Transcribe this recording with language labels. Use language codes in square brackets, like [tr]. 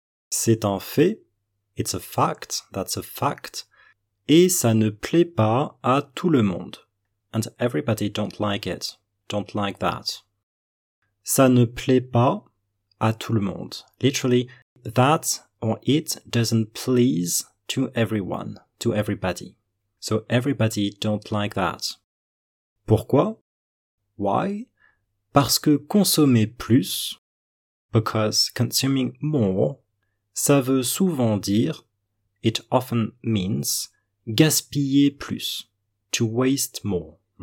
[fr] C'est un fait, [en] it's a fact, that's a fact, [fr] et ça ne plaît pas à tout le monde. [en] And everybody don't like it, don't like that. [fr] Ça ne plaît pas à tout le monde. [en] Literally, that or it doesn't please to everyone, to everybody. So everybody don't like that. [fr] Pourquoi? [en] Why? [fr] Parce que consommer plus, [en] because consuming more, [fr] ça veut souvent dire, [en] it often means, [fr] gaspiller plus, [en] to waste more.